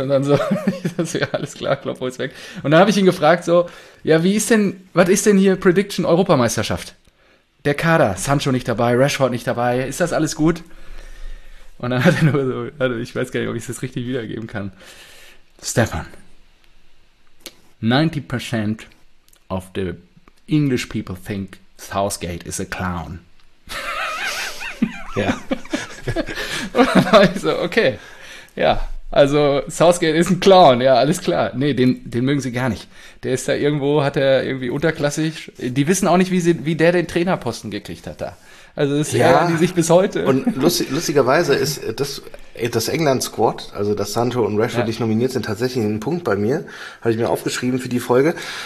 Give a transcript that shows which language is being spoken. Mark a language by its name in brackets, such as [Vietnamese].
[German] Und dann so, ja, alles klar, Klopper ist weg. Und dann habe ich ihn gefragt so, ja, was ist denn hier Prediction Europameisterschaft? Der Kader, Sancho nicht dabei, Rashford nicht dabei, ist das alles gut? Und dann hat er nur so, also ich weiß gar nicht, ob ich das richtig wiedergeben kann. [English] Stefan, 90% of the English people think Southgate is a clown. [German] Ja. Und dann war ich so, okay. Ja, also Southgate ist ein Clown. Ja, alles klar. Nee, den mögen sie gar nicht. Der ist da irgendwo, hat er irgendwie unterklassig. Die wissen auch nicht, wie der den Trainerposten gekriegt hat da. Also das ärgern die sich bis heute. Und lustigerweise ist das England-Squad, also dass Sancho und Rashford nicht nominiert sind, tatsächlich ein Punkt bei mir, habe ich mir aufgeschrieben für die Folge.